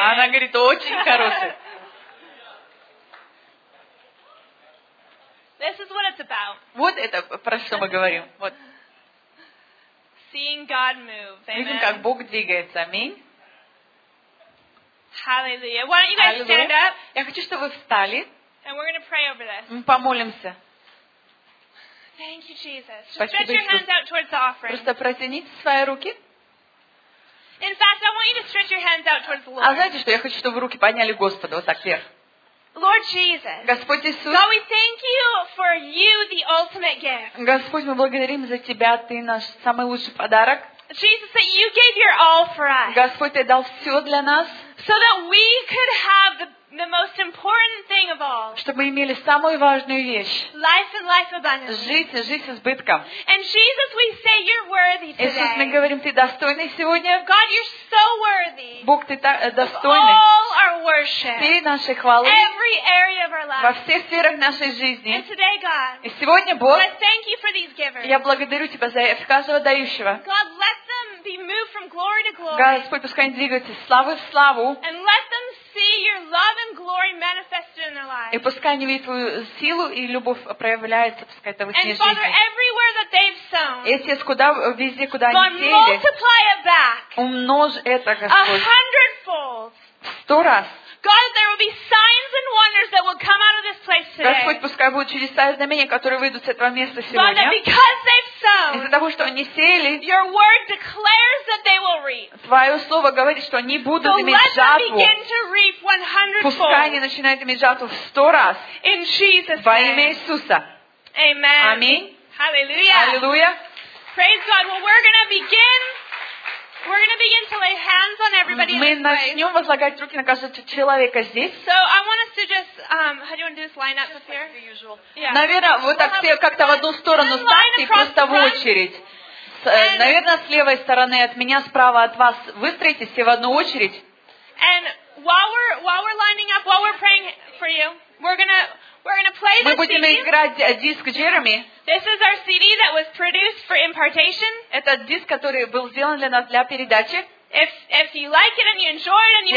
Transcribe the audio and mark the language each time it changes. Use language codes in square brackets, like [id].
[ru] Она говорит, очень хороший. [en] This is what it's about. [ru] Вот это про что мы говорим. Вот. [en] Seeing God move. Amen. [ru] Видим, как Бог двигается. Аминь. [en] Hallelujah. Why don't you guys stand up? [ru] Я хочу, чтобы вы встали. [en] And we're going to pray over this. [ru] Мы помолимся. [en] Thank you, Jesus. [ru] Спасибо, [en] Just stretch your hands out towards the offering. [ru] Просто протяните свои руки. [en] In fact, I want you to stretch your hands out towards the Lord. [ru] А знаете что? Я хочу, чтобы вы руки подняли Господу. Вот так вверх. [en] Lord Jesus. [ru] Господь Иисус. [en] God, we thank you for you, the ultimate gift. [ru] Господь, мы благодарим за тебя, ты наш самый лучший подарок. [en] Jesus, that you gave your all for us. [ru] Господь, ты дал все для нас. [en] So that we could have the most important thing of all. [ru] Чтобы мы имели самую важную вещь. [en] Life and life abundantly. [ru] Жить и жить избытком. [en] And Jesus, we say you're worthy today. [ru] Иисус, мы говорим, ты достойный сегодня. [en] God, you're so worthy. [ru] Бог, ты так достойный. [en] All our worship. [ru] Всей нашей хвалы. [en] Every area of our life. [ru] Во всех сферах нашей жизни. [en] And today, God. [ru] И сегодня, Бог. [en] I thank you for these givers. [ru] Я благодарю тебя за каждого дающего. [en] God, let them be moved from glory to glory. [ru] Господь, пускай они двигаются славы в славу. [en] And let them see your love and glory manifested in their lives. [ru] И пускай они видят твою силу и любовь проявляется, пускай это в их жизни. [en] And Father, everywhere that they've sown, [ru] эти куда везде куда они сели, [en] multiply it back. [ru] Умножь это, Господь. [en] A hundredfold. [ru] Сто раз. [en] God, there will be signs and wonders that will come out of this place today. [ru] Господь, пускай будут чудеса и знамения, которые выйдут с этого места сегодня. [en] Father, because they've sown, [ru] из-за того, что они сеяли, [en] your word declares that they will reap. [ru] Твое слово говорит, что они будут so иметь жатву. [en] So let them begin to reap 100-fold. [ru] Пускай они начинают иметь жатву в 100 раз. [en] In Jesus' name. [ru] Во имя Иисуса. [en] Amen. [ru] Аминь. [en] Hallelujah. Hallelujah. Praise God. Well, we're going to begin. We're going to begin to lay hands on everybody in this place. [ru] Мы начнем возлагать руки на каждого человека здесь. [en] So I want us to just, how do you want to do this line up up here? The usual. Yeah. [ru] Наверное, вот так все как-то в одну сторону встать и просто в очередь. Наверное, с левой стороны от меня, справа от вас выстроитесь все в одну очередь. [en] And while we're lining up, while we're praying for you, we're gonna play this. [ru] Мы будем играть диск Джереми. [en] This is our CD that was produced for impartation. [ru] Это диск, который был сделан для нас для передачи. [en] If you like it and you enjoy it and you